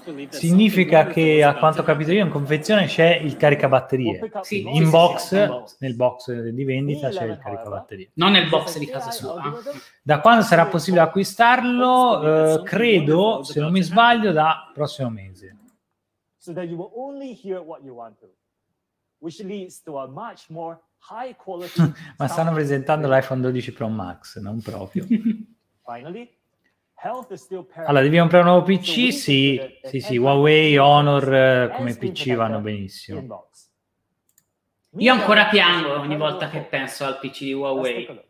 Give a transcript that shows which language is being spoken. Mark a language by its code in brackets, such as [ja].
[it] Significa che, a quanto ho capito io, in confezione c'è il caricabatterie, sì. In box, nel box di vendita c'è il caricabatterie, non nel box di casa sua. Da quando sarà possibile acquistarlo? Credo, se non mi sbaglio, da prossimo mese. [en] So that you will only hear what you want to, which leads to a much more high quality. [it] Ma stanno presentando l'iPhone 12 Pro Max, non proprio. [en] Finally, health is still paramount. [it] Allora, devi comprare un nuovo PC? So sì, Huawei, Honor come PC vanno benissimo. Io ancora piango ogni volta che penso al PC di Huawei.